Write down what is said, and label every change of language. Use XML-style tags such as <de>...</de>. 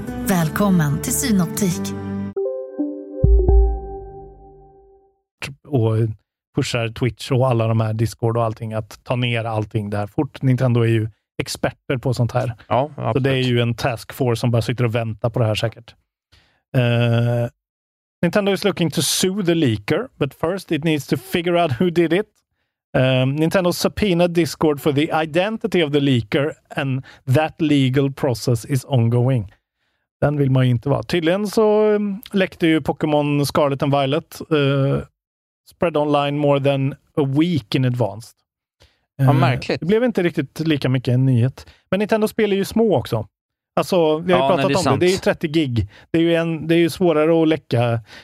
<sv>Välkommen till Synoptik. Och pushar Twitch och alla de här Discord och allting att ta ner allting där fort. Nintendo är ju experter på sånt här. Ja, absolut. Så det är ju en task force som bara sitter och väntar på det här säkert.</sv> <en>Nintendo is looking to sue the leaker, but first it needs to figure out who did it. Nintendo subpoenaed Discord for the identity of the leaker and that legal process is ongoing.</en> <sv>Den vill man ju inte vara. Tydligen så läckte ju</sv> <en>Pokémon Scarlet and Violet spread online more than a week in advance.</en> <sv>Ja, märkligt. Det blev inte riktigt lika mycket en nyhet. Men Nintendo spelar ju små också. Alltså, vi har ju pratat om det. Det är ju 30 gig. Det är ju svårare att läcka.</sv>